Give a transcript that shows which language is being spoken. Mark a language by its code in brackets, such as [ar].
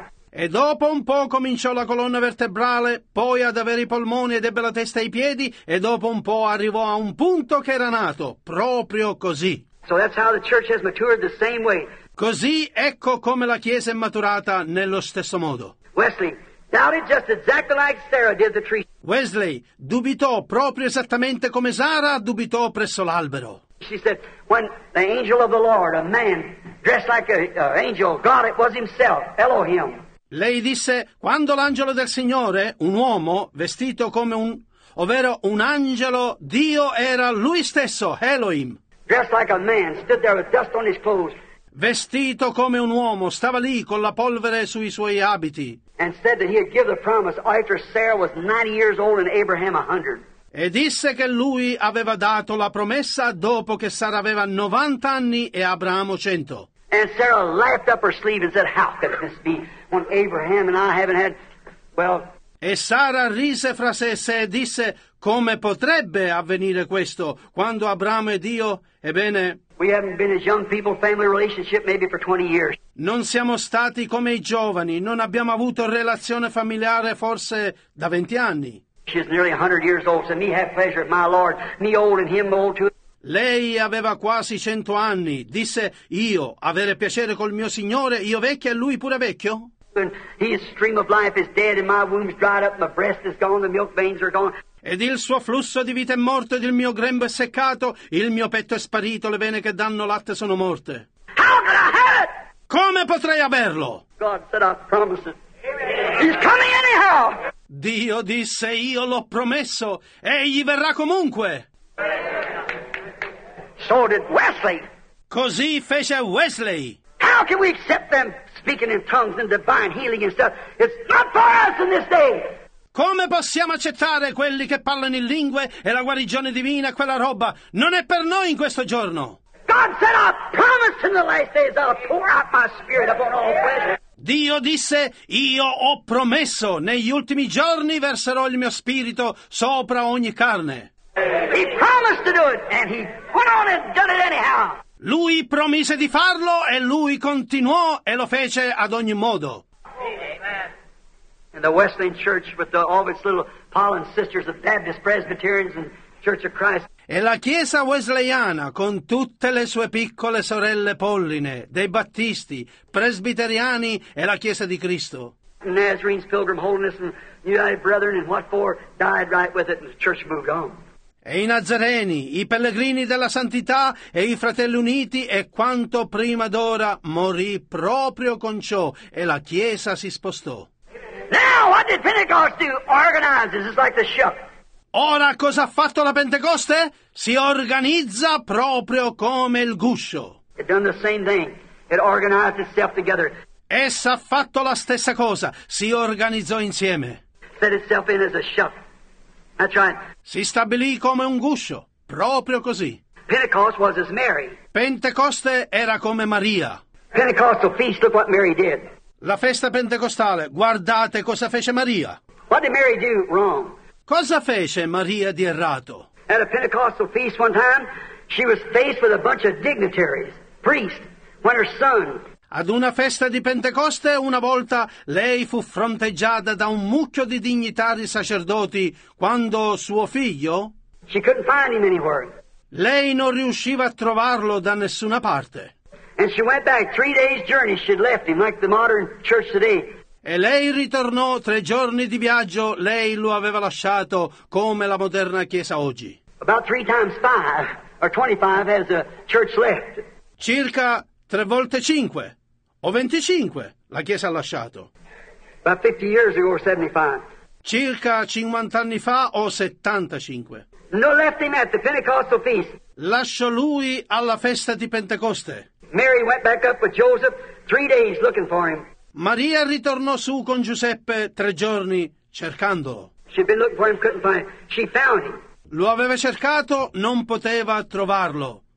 [it] E dopo un po' cominciò la colonna vertebrale, poi ad avere i polmoni ed ebbe la testa e i piedi, e dopo un po' arrivò a un punto che era nato, proprio così. [en] So that's how the church has matured the same way. [it] Così ecco come la Chiesa è maturata nello stesso modo. [en] Wesley doubted just exactly like Sarah did the tree. [it] Wesley dubitò proprio esattamente come Sara dubitò presso l'albero. [en] She said, when the angel of the Lord, a man dressed like an angel, God it was himself, Elohim. [it] Lei disse, quando l'angelo del Signore, un uomo, vestito come un, ovvero un angelo, Dio era lui stesso, Elohim. [en] Dressed like a man, stood there with dust on his clothes. [it] Vestito come un uomo, stava lì con la polvere sui suoi abiti. [en] And said that he had given the promise after Sarah was 90 years old and Abraham 100. [it] E disse che lui aveva dato la promessa dopo che Sara aveva 90 anni e Abramo 100. [en] And Sarah laughed up her sleeve and said, how could this be when Abraham and I haven't had, well... [it] E Sara rise fra sé e sé e disse, come potrebbe avvenire questo quando Abramo e Dio, ebbene... [en] We haven't been as young people, family relationship maybe for 20 years. [it] Non siamo stati come i giovani, non abbiamo avuto relazione familiare forse da 20 anni. [en] She's nearly 100 years old, so me have pleasure of my Lord, me old and him old too. [it] Lei aveva quasi 100 anni, disse io avere piacere col mio Signore, io vecchio e lui pure vecchio. [en] And his stream of life is dead and my womb's dried up, my breast is gone, the milk veins are gone. [it] Ed il suo flusso di vita è morto, ed il mio grembo è seccato, il mio petto è sparito, le vene che danno latte sono morte. [en] How could I have it? [it] Come potrei averlo? [en] God said, I promise it. He's coming anyhow. [it] Dio disse, io l'ho promesso, egli verrà comunque. [en] So did Wesley. [it] Così fece Wesley. [en] How can we accept them speaking in tongues and divine healing and stuff? It's not for us in this day. [it] Come possiamo accettare quelli che parlano in lingue e la guarigione divina, quella roba? Non è per noi in questo giorno. [en] God said, I promised in the last days I'll pour out my spirit upon all flesh. [it] Dio disse, io ho promesso, negli ultimi giorni verserò il mio spirito sopra ogni carne. [en] He promised to do it, and he went on and done it anyhow. [it] Lui promise di farlo, e lui continuò e lo fece ad ogni modo. [en] And the Wesleyan Church with all its little pollen sisters of Baptist, Presbyterians and Church of Christ. [it] E la chiesa wesleyana con tutte le sue piccole sorelle polline, dei battisti, presbiteriani e la chiesa di Cristo. [en] Nazarene's Pilgrim Holiness and United Brethren and what for died right with it and the church moved on. [it] E i Nazareni, i Pellegrini della Santità e i Fratelli Uniti e quanto prima d'ora morì proprio con ciò e la chiesa si spostò. [en] Now what did Pentecost do? Organizes, it's like the ship. [it] Ora cosa ha fatto la Pentecoste? Si organizza proprio come il guscio. [en] It done the same thing. It organized itself together. [it] Essa ha fatto la stessa cosa. Si organizzò insieme. [en] Set itself in as a ship. That's right. [it] Si stabilì come un guscio, proprio così. [en] Pentecost was as Mary. [it] Pentecoste era come Maria. [en] Pentecostal feast, look what Mary did. [it] La festa pentecostale, guardate cosa fece Maria. [en] What did Mary do wrong? [it] Cosa fece Maria di errato? [en] At a Pentecostal feast one time, she was faced with a bunch of dignitaries, priests, when her son... [it] Ad una festa di Pentecoste, una volta, lei fu fronteggiata da un mucchio di dignitari sacerdoti, quando suo figlio... [en] She couldn't find him anywhere. [it] Lei non riusciva a trovarlo da nessuna parte. [en] And she went back 3 days' journey. She'd left him like the modern church today. [it] E lei ritornò 3 giorni di viaggio. Lei lo aveva lasciato come la moderna chiesa oggi. [en] About 3 times 5 or 25 has the church left. [it] Circa 3 volte 5 o 25 la chiesa ha lasciato. [en] About 50 years ago or 75. [it] Circa 50 anni fa o 75. [en] No, left him at the Pentecostal feast. [it] Lasciò lui alla festa di Pentecoste. [en] Mary went back up with Joseph 3 days looking for him. [it] Maria ritornò su con Giuseppe 3 giorni cercandolo. [en] She'd been looking for him, couldn't find him. She found him. [it] Lo aveva cercato, non poteva trovarlo.